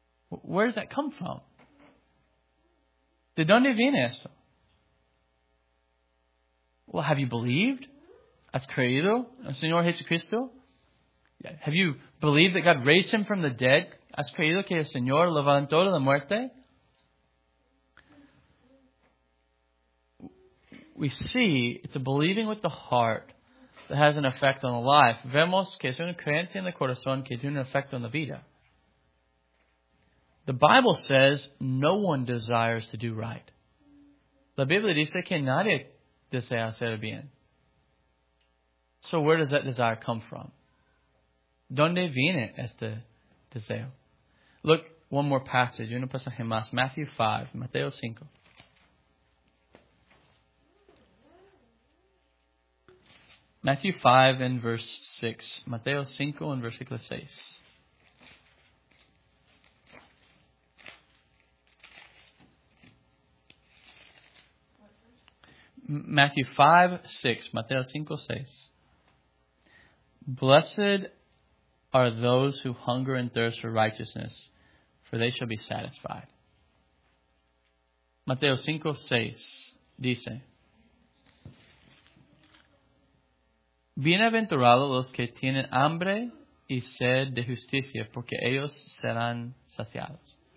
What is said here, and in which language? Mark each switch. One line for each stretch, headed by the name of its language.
English: Where does that come from?
Spanish: ¿De dónde viene esto?
English: Well, have you believed?
Spanish: ¿Has creído en el Señor Jesucristo?
English: Have you believed that God raised Him from the dead?
Spanish: ¿Has creído que el Señor levantó de la muerte?
English: We see it's a believing with the heart that has an effect on the life.
Spanish: Vemos que es una creencia en el corazón que tiene un efecto en la vida.
English: The Bible says no one desires to do right.
Spanish: La Biblia dice que nadie desea hacer bien.
English: So where does that desire come from?
Spanish: ¿Dónde viene este deseo?
English: Look, one more passage.
Spanish: Un pasaje más.
English: Matthew 5. Mateo 5. Matthew 5 and verse 6. Mateo 5 and versículo 6. Matthew 5, 6. Mateo 5, 6. Blessed are those who hunger and thirst for righteousness, for they shall be satisfied.
Spanish: Mateo 5, 6. Dice, bienaventurados los que tienen hambre y sed de justicia, porque ellos serán saciados.